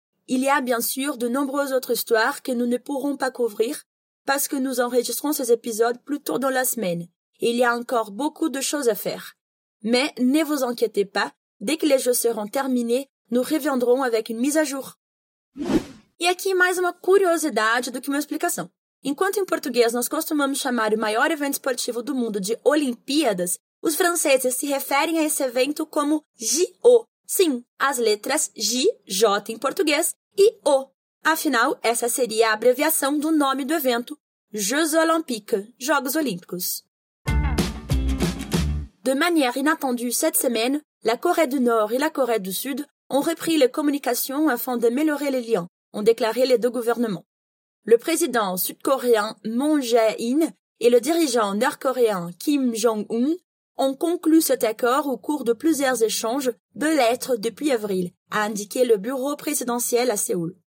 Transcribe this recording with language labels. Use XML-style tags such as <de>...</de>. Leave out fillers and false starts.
<fr>Il y a bien sûr de nombreuses autres histoires que nous ne pourrons pas couvrir parce que nous enregistrons ces épisodes plus tôt dans la semaine et il y a encore beaucoup de choses à faire. Mais ne vous inquiétez pas, dès que les Jeux seront terminés, nous reviendrons avec une mise à jour.</fr> <pt>E aqui mais uma curiosidade do que uma explicação. Enquanto em português nós costumamos chamar o maior evento esportivo do mundo de Olimpíadas, os franceses se referem a esse evento como JO. Sim, as letras G, J em português e O. Afinal, essa seria a abreviação do nome do evento, Jeux Olympiques, Jogos Olímpicos.</pt> <fr>De maneira inattendue cette semaine, la Corée du Nord et la Corée du Sud ont repris les communications afin de améliorer les liens, ont déclaré les deux gouvernements. le président sud-coréen Moon Jae-in et le dirigeant nord-coréen Kim Jong-un ont conclu cet accord au cours de plusieurs échanges de lettres depuis avril, a indiqué le bureau présidentiel à Séoul.</fr>